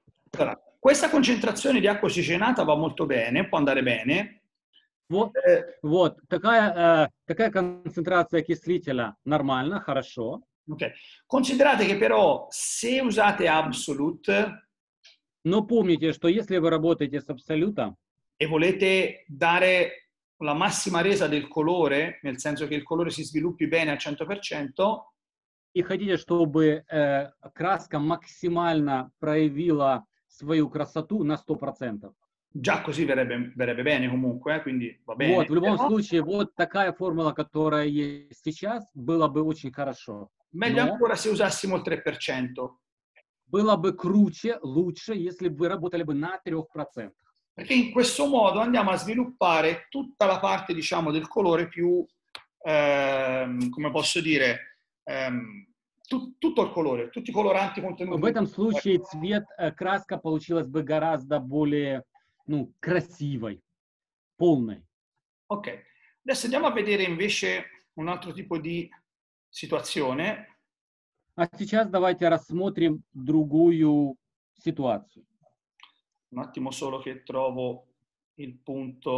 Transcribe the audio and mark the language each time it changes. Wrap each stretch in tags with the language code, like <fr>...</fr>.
<it>Allora, questa concentrazione di acqua ossigenata va molto bene, può andare bene.</it> <ru>Вот, вот такая, такая концентрация окислителя нормально, хорошо. Ok.</ru> <it>Considerate che però se usate Absolute,</it> <ru>но помните, что если вы работаете с Absolute</ru> <it>e volete dare la massima resa del colore, nel senso che il colore si sviluppi bene al 100%,</it> <ru>и хотите, чтобы краска максимально проявила свою красоту на 100%.</ru> <it>Già così verrebbe bene comunque, quindi va bene.</it> <ru>Вот, в любом случае, вот такая формула, которая есть сейчас, было бы очень хорошо.</ru> <it>Meglio ancora se usassimo il 3%.</it> <ru>Было бы круче, лучше, если бы вы работали бы на 3%.</ru> <it>Perché in questo modo andiamo a sviluppare tutta la parte, diciamo, del colore più, come posso dire, tutto il colore, tutti i coloranti contenuti.</it> <ru>В этом случае цвет, краска получилась бы гораздо более, ну, красивой, полной. Ok.</ru> <it>Adesso andiamo a vedere invece un altro tipo di situazione.</it> <ru>А сейчас давайте рассмотрим другую ситуацию.</ru> <it>Un attimo solo che trovo il punto.</it>